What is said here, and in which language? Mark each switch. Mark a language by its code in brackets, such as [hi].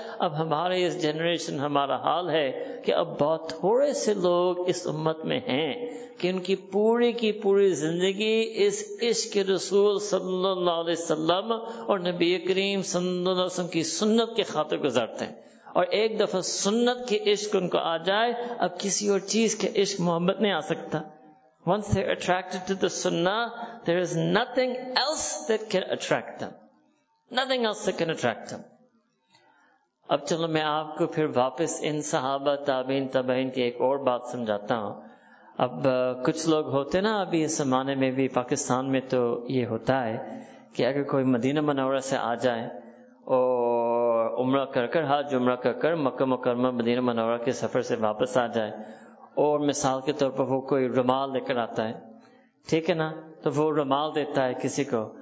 [ur] اب ہمارے اس جنریشن ہمارا حال ہے کہ اب بہت تھوڑے سے لوگ اس امت میں ہیں کہ ان کی پوری زندگی اس عشق رسول صلی اللہ علیہ وسلم اور نبی کریم صلی اللہ علیہ وسلم کی سنت کے خاطر گزارتے ہیں. اور ایک دفعہ سنت کے عشق ان کو آ جائے, اب کسی اور چیز کے عشق محبت نہیں آ سکتا. [en] Once they're attracted to the sunnah, there is nothing else that can attract them. Nothing else that can attract them. [ur] اب چلو میں آپ کو پھر واپس ان صحابہ تابعین تبعین کی ایک اور بات سمجھاتا ہوں. اب کچھ لوگ ہوتے نا, ابھی اس زمانے میں بھی پاکستان میں تو یہ ہوتا ہے کہ اگر کوئی مدینہ منورہ سے آ جائے اور عمرہ کر کر, حج عمرہ کر کر مکہ مکرمہ مدینہ منورہ کے سفر سے واپس آ جائے, اور مثال کے طور پر وہ کوئی رومال لے کر آتا ہے, ٹھیک ہے نا, تو وہ رومال دیتا ہے کسی کو.